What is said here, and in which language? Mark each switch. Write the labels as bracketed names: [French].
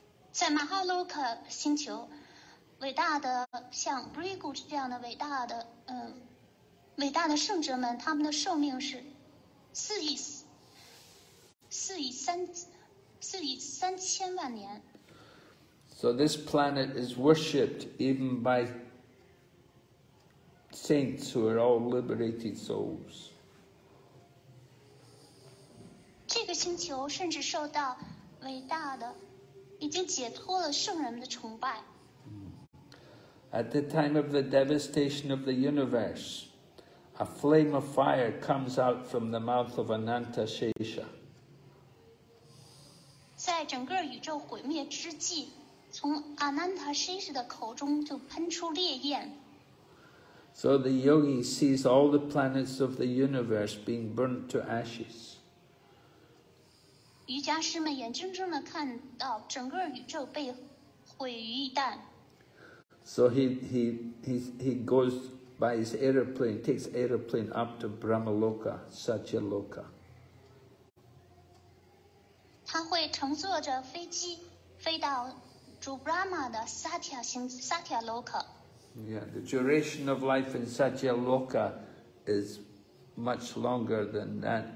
[Chinese] 在 Mahaloka 星球，伟大的像 Bhrigu 这样的伟大的圣者们，他们的寿命是4亿3千万年。 [English] So this planet is worshipped even by saints who are all liberated souls. [Chinese] 这个星球甚至受到伟大的、已经解脱了圣人们的崇拜。 [English] At the time of the devastation of the universe, a flame of fire comes out from the mouth of Anantashesha. [Chinese] 在整个宇宙毁灭之际。从 Ananta Shesha 的口中就喷出烈焰。 [English] So the yogi sees all the planets of the universe being burnt to ashes. [Chinese] 瑜伽师们眼睁睁地看到整个宇宙被毁于一旦。 [English] So he goes by his aeroplane, takes aeroplane up to Brahmaloka, Satyaloka. [Chinese] 他会乘坐着飞机飞到主布拉玛的萨提亚星萨提亚洛克。 [English] Yeah, the duration of life in Satyaloka is much longer than that.